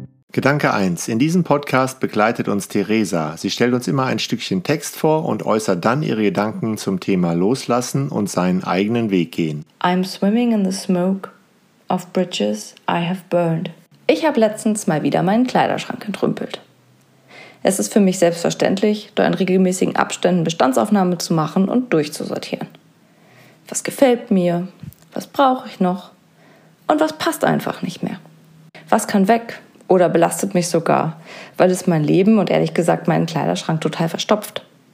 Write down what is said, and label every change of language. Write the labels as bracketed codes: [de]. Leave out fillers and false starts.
[de] Gedanke 1. In diesem Podcast begleitet uns Theresa. Sie stellt uns immer ein Stückchen Text vor und äußert dann ihre Gedanken zum Thema Loslassen und seinen eigenen Weg gehen. [en] I'm swimming in the smoke of bridges I have burned. [de] Ich habe letztens mal wieder meinen Kleiderschrank entrümpelt. Es ist für mich selbstverständlich, dort in regelmäßigen Abständen Bestandsaufnahme zu machen und durchzusortieren. Was gefällt mir? Was brauche ich noch? Und was passt einfach nicht mehr? Was kann weg? Oder belastet mich sogar, weil es mein Leben und ehrlich gesagt meinen Kleiderschrank total verstopft.